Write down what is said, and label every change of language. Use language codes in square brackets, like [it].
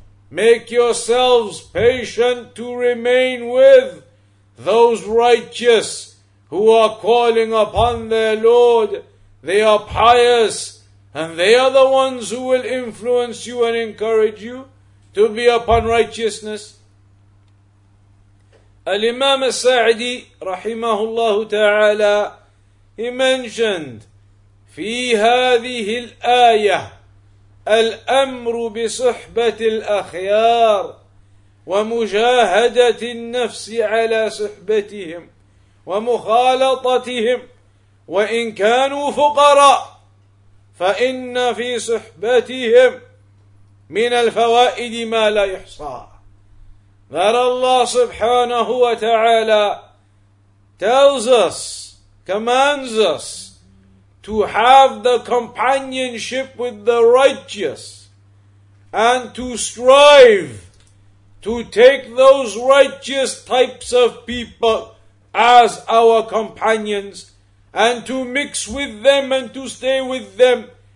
[en] Make yourselves patient to remain with those righteous who are calling upon their Lord. They are pious, and they are the ones who will influence you and encourage you to be upon righteousness. Al-Imam As-Sa'di, rahimahullahu ta'ala, he mentioned, [ar] في هذه الآية الأمر بصحبة الأخيار ومجاهدة النفس على صحبتهم ومخالطتهم وإن كانوا فقراء فإن في صحبتهم من الفوائد ما لا يحصى. [en] That Allah subhanahu wa ta'ala tells us, commands us, to have the companionship with the righteous and to strive to take those righteous types of people as our companions and to mix with them and to stay with them.